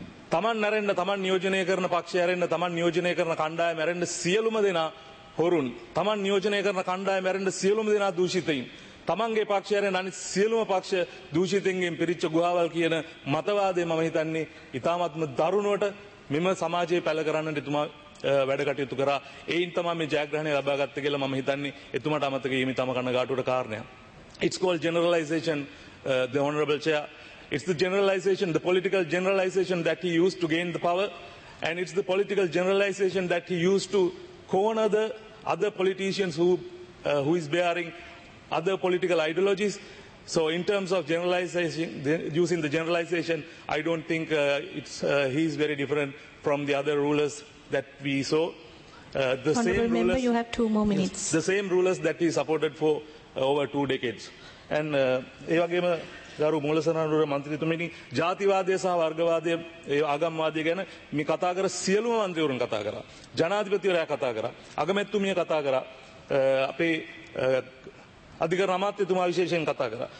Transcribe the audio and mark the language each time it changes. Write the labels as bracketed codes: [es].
[si] තමන් නැරෙන්න, තමන් නියෝජනය කරන පක්ෂය ඇරෙන්න, තමන් නියෝජනය කරන කණ්ඩායම ඇරෙන්න සියලුම දෙනා හොරුන්, තමන් නියෝජනය කරන කණ්ඩායම ඇරෙන්න සියලුම දෙනා දූෂිතයින්, තමන්ගේ පක්ෂය ඇරෙන්න අනිත් සියලුම පක්ෂ දූෂිතයින්ගෙන් පිරිච්ච ගුහාවල් කියන මතවාදය මම හිතන්නේ ඉතාමත්ම දරුණුවට මෙම සමාජයේ පැල කරන්නට එතුමා වැඩ කටයුතු කරා. එයින් තමයි මේ ජයග්‍රහණය ලබා ගත්ත කියලා මම හිතන්නේ එතුමාට අමතක වීම තම කනගාටුවට කාරණයක්. [en] It's call generalization the honourable chair. It's the generalization, the political generalization that he used to gain the power, and it's the political generalization that he used to corner the other politicians who is bearing other political ideologies. So in terms of generalization, using the generalization, I don't think he is very different from the other rulers that we saw. The Honorable same rulers, member, you have 2 more minutes. Yes, the same rulers that he supported for over 2 decades. [si] And ewagema ගරු මුලසනාරුර මන්ත්‍රීතුමනි, ජාතිවාදය සහ වර්ගවාදය, ආගම්වාදය ගැන මේ කතා කර සියලුම මන්ත්‍රීවරුන් කතා කරා, ජනාධිපතිවරයා කතා කරා, අගමැතිතුමිය කතා කරා, අපේ අධිකරණ අමාත්‍යතුමා විශේෂයෙන් කතා කරා.